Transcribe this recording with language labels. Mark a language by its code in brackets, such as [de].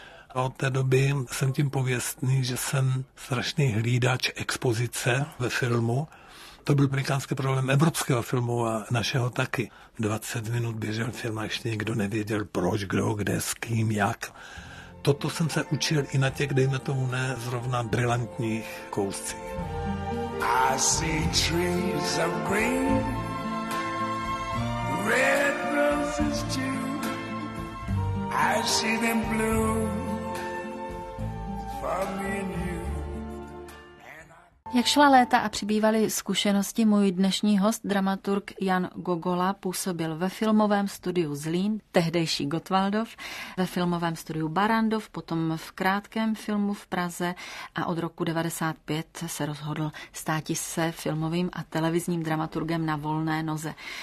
[cs] A od té doby jsem tím pověstný, že jsem strašný hlídač expozice ve filmu. To byl amerikánský problém evropského filmu a našeho taky. 20 minut běžel film a ještě nikdo nevěděl proč, kdo, kde, s kým, jak. Toto jsem se učil i na těch, dejme tomu ne, zrovna brilantních kouscích. [en] I see trees of green, red roses too. I see them bloom for me and you. [cs] Jak šla léta a přibývaly zkušenosti, můj dnešní host, dramaturg Jan Gogola, působil ve filmovém studiu Zlín, tehdejší Gottwaldov, ve filmovém studiu Barrandov, potom v krátkém filmu v Praze a od roku 1995 se rozhodl státi se filmovým a televizním dramaturgem na volné noze.